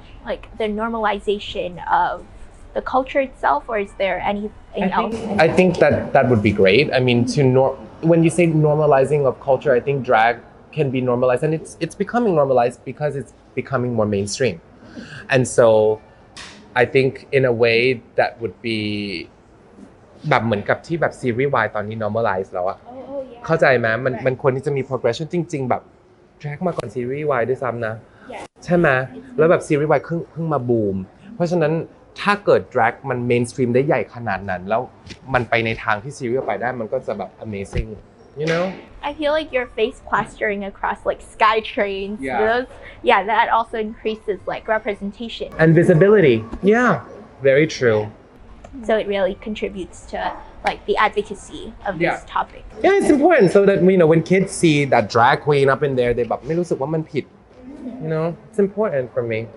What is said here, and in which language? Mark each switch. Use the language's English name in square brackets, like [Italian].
[English] Like the normalization of the culture itself, or is there anything else? I think that would be great. I mean, when you say normalizing of culture, I think drag can be normalized, and it's becoming normalized because it's becoming more mainstream. And so I think in a way that would bebe. [Thai] แบบเหมือนกับที่แบบซีรีส์วายตอนนี้ normalize แล้วอะเข้าใจไหมมันควรที่จะมี progression จริงๆแบบ drag มาก่อนซีรีส์วายด้วยซ้ำนะใช่ไหมแล้วแบบซีรีส์วายเพิ่งมาบูมเพราะฉะนั้นถ้าเกิด drag มัน mainstream ได้ใหญ่ขนาดนั้นแล้วมันไปในทางที่ซีรีส์ไปได้มันก็จะแบบ amazing you know [English] I feel like your face plastering across like sky trains yeah that also increases like representation and visibility yeah very true So it really contributes to like the advocacy of this topic. Yeah, it's important so that you know when kids see that drag queen up in there, they [Thai] แบบไม่รู้สึกว่ามันผิด [English] You know, it's important for me.